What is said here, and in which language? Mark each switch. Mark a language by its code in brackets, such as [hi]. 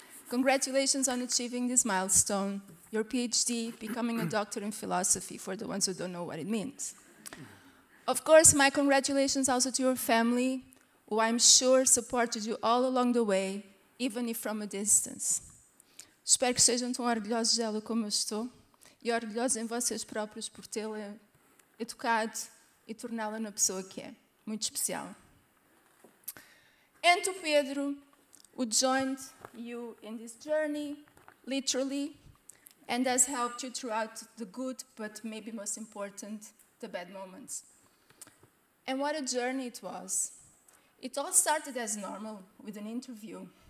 [en] Congratulations on achieving this milestone, your PhD, becoming a doctor in philosophy, for the ones who don't know what it means. Of course, my congratulations also to your family, who I'm sure supported you all along the way, even if from a distance. [pt] Espero que sejam tão orgulhosos dela como eu estou, e orgulhosos em vocês próprios por tê-la educado e torná-la na pessoa que é. Muito especial. [en] And to Pedro, who joined you in this journey, literally, and has helped you throughout the good, but maybe most important, the bad moments. And what a journey it was. It all started as normal, with an interview.